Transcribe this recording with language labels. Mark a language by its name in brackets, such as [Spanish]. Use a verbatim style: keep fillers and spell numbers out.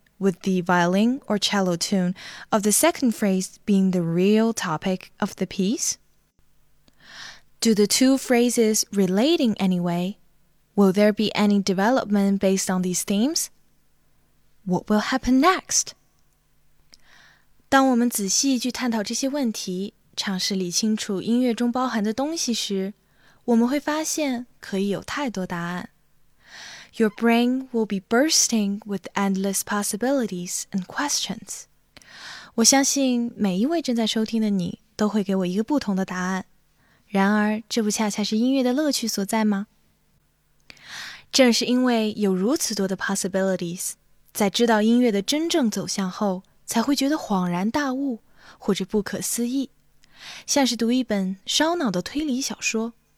[English] With the violin or cello tune of the second phrase being the real topic of the piece? Do the two phrases relate in any way? Will there be any development based on these themes? What will happen next? [Chinese] 当我们仔细去探讨这些问题，尝试理清楚音乐中包含的东西时，我们会发现可以有太多答案。 [English] Your brain will be bursting with endless possibilities and questions. [Chinese] 我相信每一位正在收听的你都会给我一个不同的答案。然而，这不恰恰是音乐的乐趣所在吗？正是因为有如此多的 [English] possibilities， [Chinese] 在知道音乐的真正走向后，才会觉得恍然大悟，或者不可思议，像是读一本烧脑的推理小说。